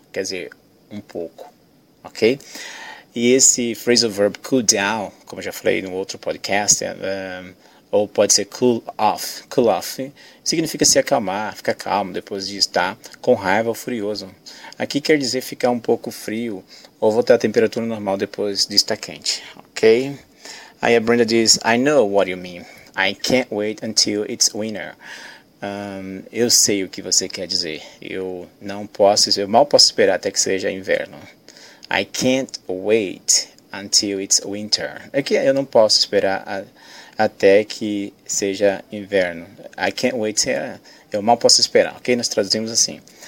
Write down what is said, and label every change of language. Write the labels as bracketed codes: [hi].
[pt] Quer dizer, um pouco, ok? E esse phrasal verb cool down, como eu já falei no outro podcast, ou pode ser cool off, significa se acalmar, ficar calmo depois de estar com raiva ou furioso. Aqui quer dizer ficar um pouco frio ou voltar à temperatura normal depois de estar quente, ok? Aí a Brenda diz, [en] I know what you mean, I can't wait until it's winter. [pt] Eu sei o que você quer dizer. Eu mal posso esperar até que seja inverno. [en] I can't wait until it's winter. [pt] É que eu não posso esperar até que seja inverno. [en] I can't wait. [pt] Eu mal posso esperar. Ok? Nós traduzimos assim.